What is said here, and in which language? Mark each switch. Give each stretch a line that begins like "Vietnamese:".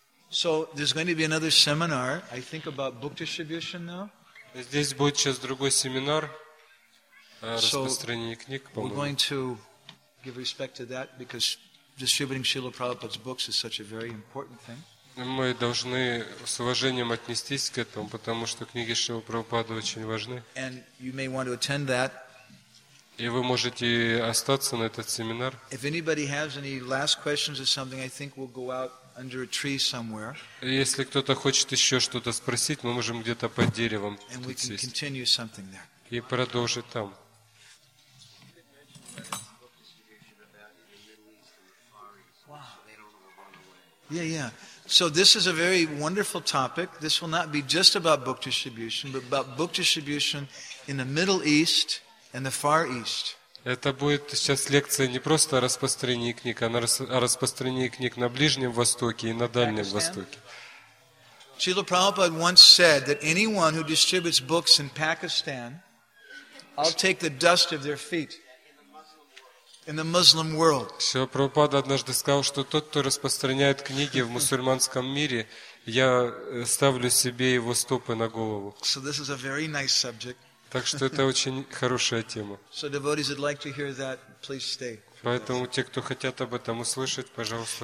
English: So there's going to be another seminar, I think, about book distribution now.
Russian: Здесь будет сейчас другой семинар о распространении книг, по-моему.
English: We're going to give respect to that because distributing Srila Prabhupada's books is such a very important thing.
Russian: Мы должны с уважением отнестись к этому, потому что книги Шрилы Прабхупады очень важны.
English: And you may want to attend that.
Russian: И вы можете остаться на этот семинар.
English: If anybody has any last questions or something, I think we'll go out under a tree somewhere.
Russian: Если кто-то хочет еще что-то спросить, мы можем где-то под деревом тут сесть.
English: And we can continue something there.
Russian: И продолжить там.
English: Wow. Yeah, yeah. So this is a very wonderful topic. This will not be just about book distribution, but about book distribution in the Middle East and the Far East.
Russian: Это будет сейчас лекция не просто о распространении книг, а о распространении книг на Ближнем Востоке и на Дальнем Востоке.
English: Srila Prabhupada once said that anyone who distributes books in Pakistan, I'll take the dust of their feet. In the Muslim world.
Russian: Srila Prabhupada однажды сказал, что тот, кто распространяет книги в мусульманском мире, я ставлю себе его стопы на голову.
English: So this is a very nice subject.
Russian: Так что это очень хорошая тема.
English: So devotees would like to hear that, please stay.
Russian: Поэтому те, кто хотят об этом услышать, пожалуйста.